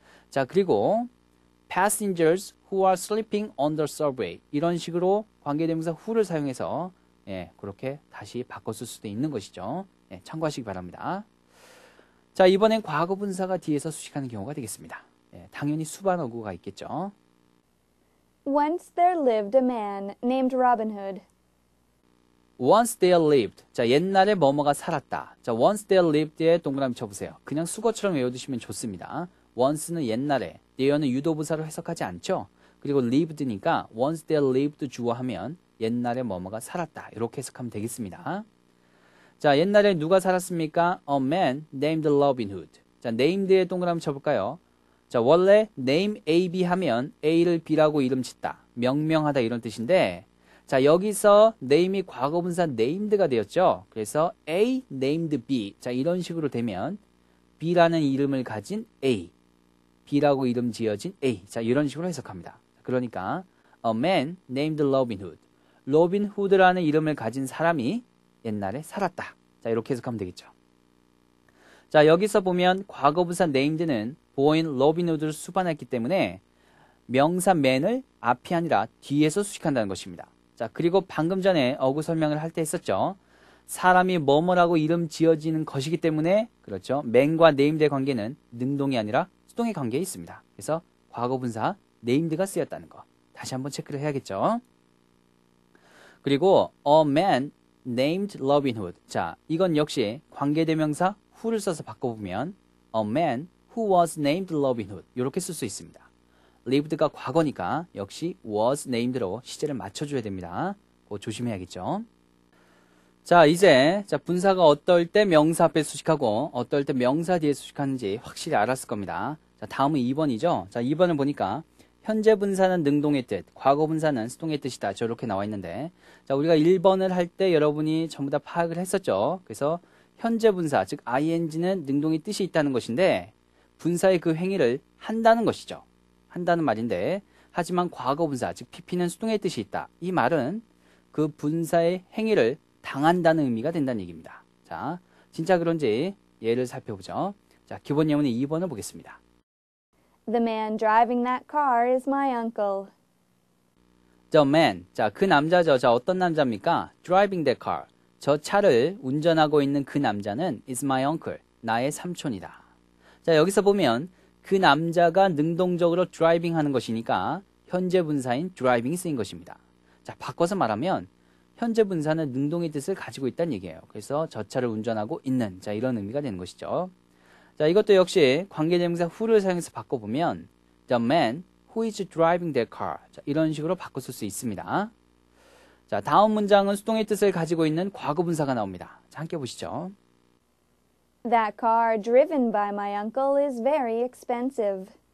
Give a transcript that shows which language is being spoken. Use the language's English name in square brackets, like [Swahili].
[Korean] 자, 그리고 [English] passengers who are sleeping on the subway [Korean] 이런 식으로 관계대명사 who를 사용해서 예, 그렇게 다시 바꿨을 수도 있는 것이죠. 예, 참고하시기 바랍니다. 자, 이번엔 과거분사가 뒤에서 수식하는 경우가 되겠습니다. 예, 당연히 수반 어구가 있겠죠. [English] Once there lived a man named Robin Hood. Once there lived. [Korean] 자, 옛날에 뭐뭐가 살았다. 자, once there lived에 동그라미 쳐보세요. 그냥 수거처럼 외워두시면 좋습니다. Once는 옛날에, there는 유도부사로 해석하지 않죠. 그리고 lived니까 once there lived 주어하면 옛날에 뭐뭐가 살았다. 이렇게 해석하면 되겠습니다. 자, 옛날에 누가 살았습니까? [English] A man named Robin Hood. [Korean] 자, named에 동그라미 쳐볼까요? 자, 원래 name AB 하면 A를 B라고 이름 짓다, 명명하다 이런 뜻인데 자, 여기서 name이 과거분사 named가 되었죠. 그래서 [English] A named B. [Korean] 자, 이런 식으로 되면 B라는 이름을 가진 A. B라고 이름 지어진 A. 자, 이런 식으로 해석합니다. [English] 그러니까 A man named Robin Hood. [Korean] 로빈 후드라는 이름을 가진 사람이 옛날에 살았다. 자, 이렇게 해석하면 되겠죠. 자, 여기서 보면 과거부사 named는 보어인 로빈 후드를 수반했기 때문에 명사 man을 앞이 아니라 뒤에서 수식한다는 것입니다. 자, 그리고 방금 전에 어구 설명을 할 때 했었죠. 사람이 뭐뭐라고 이름 지어지는 것이기 때문에, 그렇죠, man과 named의 관계는 능동이 아니라 수동의 관계에 있습니다. 그래서 과거분사 named가 쓰였다는 거 다시 한번 체크를 해야겠죠. [English] 그리고 a man named Robin Hood. [Korean] 자, 이건 역시 관계대명사 who를 써서 바꿔보면 [English] a man who was named Robin Hood [Korean] 이렇게 쓸 수 있습니다. lived가 과거니까 역시 was named로 시제를 맞춰줘야 됩니다. 그거 조심해야겠죠. 자, 이제 자 분사가 어떨 때 명사 앞에 수식하고 어떨 때 명사 뒤에 수식하는지 확실히 알았을 겁니다. 자, 다음은 2번이죠. 자, 2번을 보니까 현재 분사는 능동의 뜻, 과거 분사는 수동의 뜻이다. 저렇게 나와 있는데, 자, 우리가 1번을 할 때 여러분이 전부 다 파악을 했었죠. 그래서 현재 분사, 즉 ing는 능동의 뜻이 있다는 것인데 분사의 그 행위를 한다는 것이죠. 한다는 말인데, 하지만 과거분사, 즉 PP는 수동의 뜻이 있다. 이 말은 그 분사의 행위를 당한다는 의미가 된다는 얘기입니다. 자, 진짜 그런지 예를 살펴보죠. 자, 기본 예문의 2번을 보겠습니다. [English] The man driving that car is my uncle. [Korean] The man, 자, 그 남자죠. 자, 어떤 남자입니까? [English] Driving that car, [Korean] 저 차를 운전하고 있는 그 남자는 [English] is my uncle, [Korean] 나의 삼촌이다. 자, 여기서 보면 그 남자가 능동적으로 드라이빙 하는 것이니까 현재 분사인 드라이빙이 쓰인 것입니다. 자, 바꿔서 말하면 현재 분사는 능동의 뜻을 가지고 있다는 얘기예요. 그래서 저 차를 운전하고 있는, 자, 이런 의미가 되는 것이죠. 자, 이것도 역시 관계대명사 who를 사용해서 바꿔보면 [English] the man who is driving their car, [Korean] 자, 이런 식으로 바꿨을 수 있습니다. 자, 다음 문장은 수동의 뜻을 가지고 있는 과거분사가 나옵니다. 자, 함께 보시죠. [English] That car driven by my uncle is very expensive.